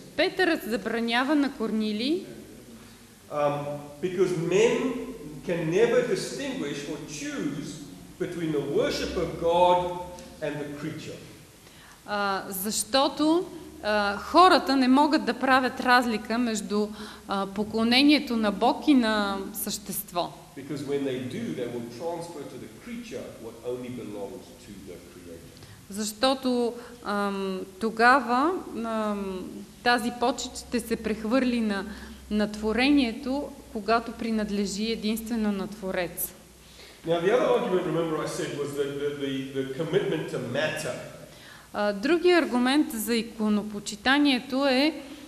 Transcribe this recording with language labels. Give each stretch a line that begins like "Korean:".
Bulgarian: Петърът забранява на Корнили,
English: because men can never distinguish or choose between the worship of God and the creature.
Bulgarian: Защото хората не могат да правят разлика между поклонението на Бог и на същество.
English: Because when they do, they will transfer to the creature what only belongs to the creator.
Bulgarian: Защото тогава тази почет ще се прехвърли на творението, когато принадлежи единствено на Творец.
English: Now the other argument, remember I said, was the commitment to matter.
Bulgarian: Другият аргумент за иконопочитанието е